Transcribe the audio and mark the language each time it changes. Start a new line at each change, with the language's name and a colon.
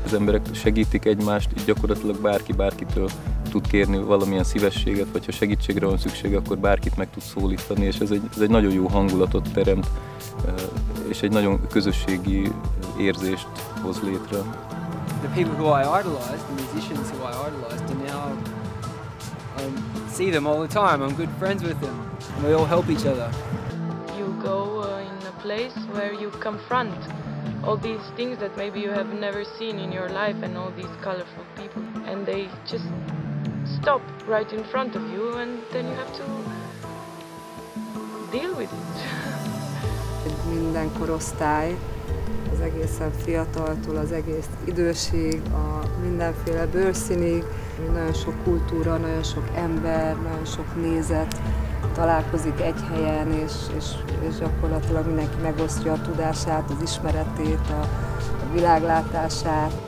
Hungarian: Az emberek segítik egymást, gyakorlatilag bárki bárkitől tud kérni valamilyen szívességet, vagy ha segítségre van szüksége, akkor bárkit meg tud szólítani, és ez egy nagyon jó hangulatot teremt, és egy nagyon közösségi érzést hoz létre.
English: The people who I idolized, the musicians who I idolized, and now I see them all the time. I'm good friends with them. And we all help each other. You go in a place where you confront all these things that maybe you have never seen in your life and all these colorful people. And they just stop right in front of you and then you have to deal with it.
Hungarian: Minden korosztály. Az egészen fiataltól, az egész időség, a mindenféle bőrszínig. Nagyon sok kultúra, nagyon sok ember, nagyon sok nézet találkozik egy helyen, és gyakorlatilag mindenki megosztja a tudását, az ismeretét, a világlátását.